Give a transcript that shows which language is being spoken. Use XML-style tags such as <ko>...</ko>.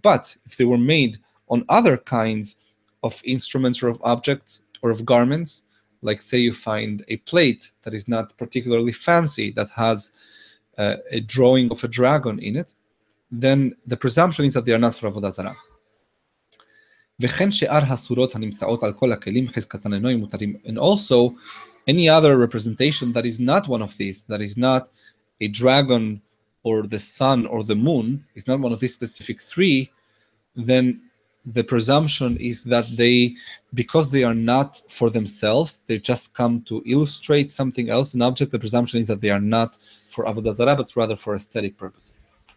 <en>But if they were made on other kinds of instruments or of objects or of garments, like say you find a plate that is not particularly fancy, that has a drawing of a dragon in it, then the presumption is that they are not for Avodah Zarah.</en> <he>וכן שאר הסורות הנמצאות על כל הכלים חזקתן אינו מותרים.</he> <en>And also, any other representation that is not one of these, that is not a dragon or the sun or the moon, is not one of these specific three, then the presumption is that they, because they are not for themselves, they just come to illustrate something else, an object, the presumption is that they are not for Avodah Zarah, but rather for aesthetic purposes.</en>